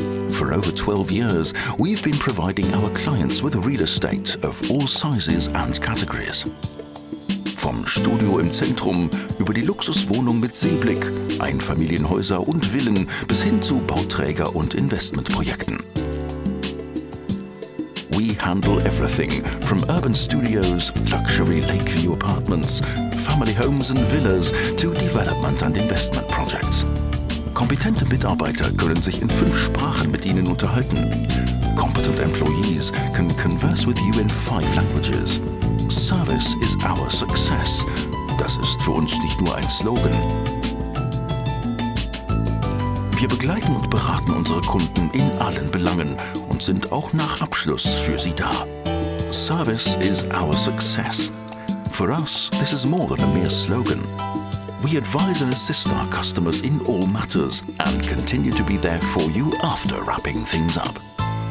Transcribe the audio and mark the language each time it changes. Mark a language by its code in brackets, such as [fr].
[en] For over 12 years, we've been providing our clients with real estate of all sizes and categories. [de] Vom Studio im Zentrum über die Luxuswohnung mit Seeblick, Einfamilienhäuser und Villen bis hin zu Bauträger und Investmentprojekten. [en] We handle everything from urban studios, luxury Lakeview apartments, family homes and villas to development and investment projects. [de] Kompetente Mitarbeiter können sich in 5 Sprachen mit Ihnen unterhalten. [en] Competent employees can converse with you in 5 languages. Service is our success. [de] Das ist für uns nicht nur ein Slogan. Wir begleiten und beraten unsere Kunden in allen Belangen und sind auch nach Abschluss für sie da. [en] Service is our success. For us, this is more than a mere slogan. We advise and assist our customers in all matters and continue to be there for you after wrapping things up.